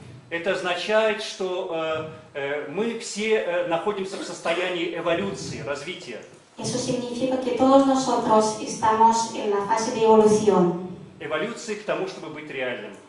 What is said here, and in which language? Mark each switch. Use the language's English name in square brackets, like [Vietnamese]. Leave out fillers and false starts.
[Russian] Это означает, что мы все находимся в состоянии эволюции, развития. [Spanish] Eso significa que todos nosotros estamos en la fase de evolución. [Russian] Эволюции к тому, чтобы быть реальным.